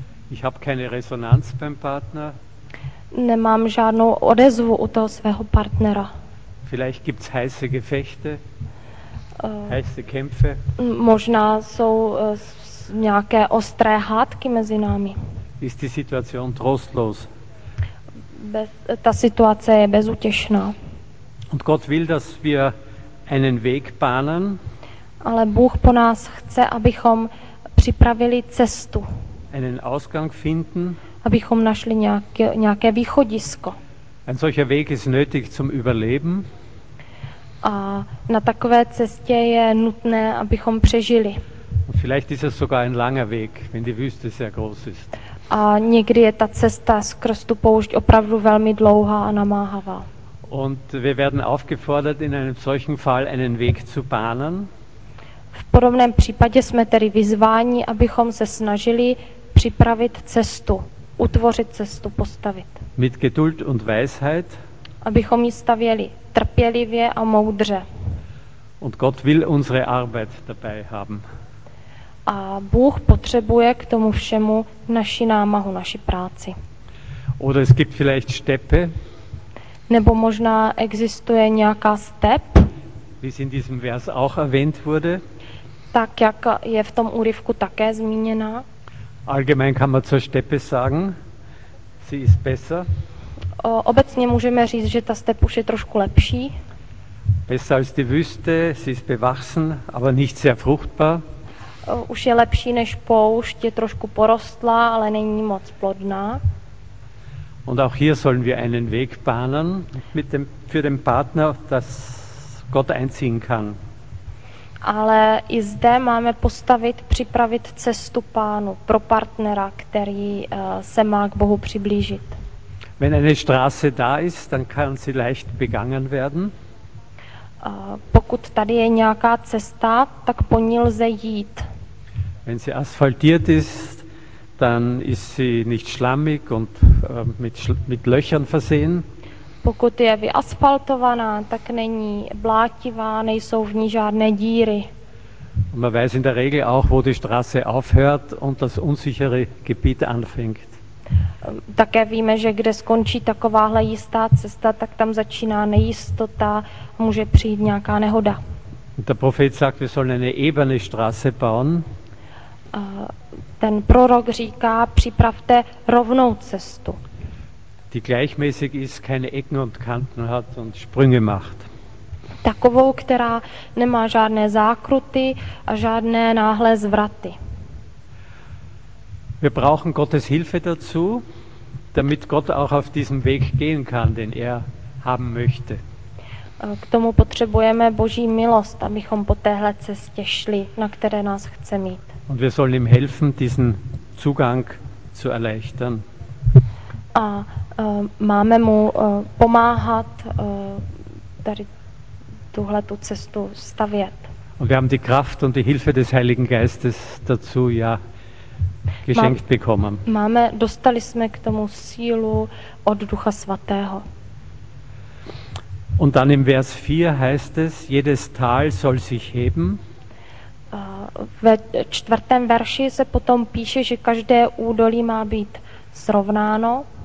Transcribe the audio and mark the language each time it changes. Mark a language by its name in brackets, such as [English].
[German] Ich habe keine Resonanz beim Partner. [Czech] Nemám žádnou odezvu u toho svého partnera. [German] Vielleicht gibt's heiße Gefechte. Heiße Kämpfe. [Czech] Možná jsou nějaké ostré hádky mezi námi. [German] Ist die Situation trostlos? [Czech] Ta situace je bezutěšná. [German] Und Gott will, dass wir einen Weg bahnen. [Czech] Ale Bůh po nás chce, abychom připravili cestu. [German] Einen Ausgang finden. [Czech] Abychom našli nějaké východisko. [German] Ein solcher Weg ist nötig zum Überleben. [Czech] A na takové cestě je nutné, abychom přežili. [German] Und vielleicht ist es sogar ein langer Weg, wenn die Wüste sehr groß ist. [Czech] A někdy je ta cesta skrz tu poušť opravdu velmi dlouhá a namáhavá. [German] Und wir werden aufgefordert, in einem solchen Fall einen Weg zu bahnen. [Czech] V podobném případě jsme tedy vyzváni, abychom se snažili připravit cestu, utvořit cestu, postavit. [German] Mit Geduld und Weisheit. [Czech] Abychom ji stavěli trpělivě a moudře. [German] Und Gott will unsere Arbeit dabei haben. [Czech] A Bůh potřebuje k tomu všemu naši námahu, naši práci. [German] Oder es gibt vielleicht Steppe. [Czech] Nebo možná existuje nějaká step, [German] wie es in diesem Vers auch erwähnt wurde. [Czech] Tak, jak je v tom úryvku také zmíněná. [German] Allgemein kann man zur Steppe sagen, sie ist besser. [Czech] Obecně můžeme říct, že ta step už je trošku lepší. [German] Besser als die Wüste, sie ist bewachsen, aber nicht sehr fruchtbar. [Czech] Už je lepší než poušť, je trošku porostlá, ale není moc plodná. [German] Und auch hier sollen wir einen Weg bahnen mit dem, für den Partner, dass Gott einziehen kann. [Czech] Ale i zde máme postavit, připravit cestu Pánu pro partnera, který se má k Bohu přiblížit. [German] Wenn eine Straße da ist, dann kann sie leicht begangen werden. [Czech] Pokud tady je nějaká cesta, tak po ní lze jít. [German] Wenn sie asphaltiert ist, dann ist sie nicht schlammig und mit Löchern versehen. [Czech] Pokud je vyasfaltovaná, tak není blátivá, nejsou v ní žádné díry. [German] Und man weiß in der Regel auch, wo die Straße aufhört und das unsichere Gebiet anfängt. [Czech] Také víme, že kde skončí takováhle jistá cesta, tak tam začíná nejistota, může přijít nějaká nehoda. [German] Und der Prophet sagt, wir sollen eine ebene Straße bauen. [Czech] Ten prorok říká, připravte rovnou cestu. [German] Die gleichmäßig ist, keine Ecken und Kanten hat und Sprünge macht. [Czech] Takovou, která nemá žádné zákruty a žádné náhlé zvraty. [German] Wir brauchen Gottes Hilfe dazu, damit Gott auch auf diesem Weg gehen kann, den er haben möchte. [Czech] K tomu potřebujeme Boží milost, abychom po téhle cestě šli, na které nás chce mít. [German] Und wir sollen ihm helfen, diesen Zugang zu erleichtern. [Czech] A máme mu pomáhat tady tuhle tu cestu stavět. [German] Und wir haben die Kraft und die Hilfe des Heiligen Geistes dazu ja geschenkt bekommen. [Czech] Dostali jsme k tomu sílu od Ducha Svatého. [German] Und dann im Vers 4 heißt es, jedes Tal soll sich heben. [Czech] Ve čtvrtém verši se potom píše, že každé údolí má být srovnáno.